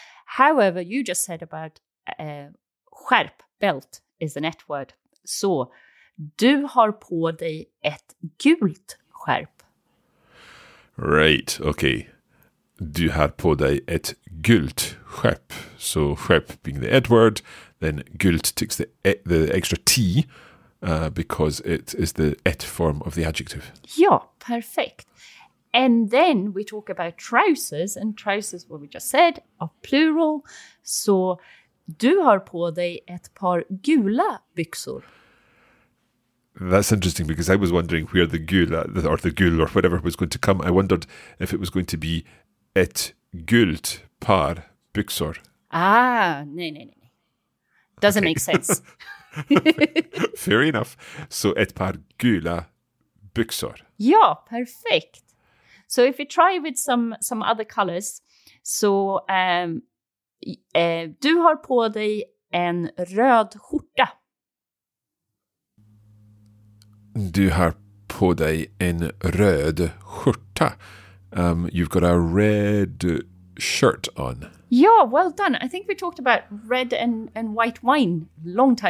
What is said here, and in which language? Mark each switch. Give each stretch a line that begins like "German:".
English: However, you just said about skärp, belt, is an ett word.
Swedish: So, du har på dig ett gult skärp.
English: Right, okay.
Swedish: Du har på dig ett gult skärp.
English: So, skärp being the ett word, then gult takes the extra T because it is the ett form of the adjective.
Swedish: Ja, perfekt.
English: And then we talk about trousers, and trousers, what we just said, are plural.
Swedish: So, du har på dig ett par gula byxor.
English: That's interesting because I was wondering where the gula, or the gul, or whatever was going to come. I wondered if it was going to be
Swedish: ett gult par byxor. Ah, nej.
English: Doesn't make sense. Fair enough. So,
Swedish: ett par gula byxor. Ja, perfekt.
English: So if you try with some other colors, so
Swedish: du har på dig en röd skjorta. Du har på dig en röd skjorta.
English: You've got a red shirt on. Yeah, well done. I think we talked about red and white wine long time